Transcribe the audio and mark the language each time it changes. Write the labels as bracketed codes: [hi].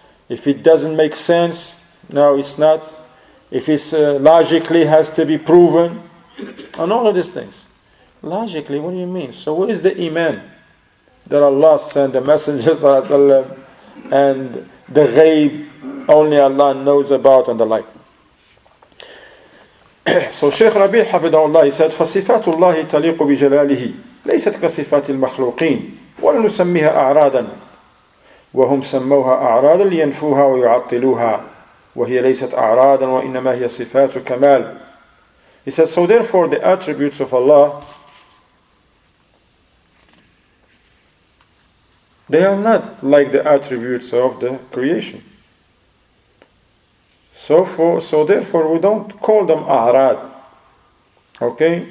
[en] If it doesn't make sense, no, it's not. If it's logically has to be proven, and all of these things. Logically, what do you mean? So what is the iman that Allah sent the Messenger sallallahu alaihi wasallam, and the ghaib only Allah knows about and the like? [ar] So Shaykh Rabi Hafidahullah, he said, فَصِفَاتُ اللَّهِ تَلِيقُ بِجَلَالِهِ لَيْسَتْ كَصِفَاتِ الْمَخْلُوقِينَ وَلَنُسَمِّهَا أَعْرَادًا وَهُمْ سَمَّوْهَا أَعْرَادًا لِيَنْفُوهَا وَيُعَطِّلُوهَا وَهِيَ لَيْسَتْ أَعْرَادًا وَإِنَّمَا هِيَ صِفَاتُ كَمَالٍ. [en] He said, so therefore the attributes of Allah, they are not like the attributes of the creation. So therefore, we don't call them a'rad, okay?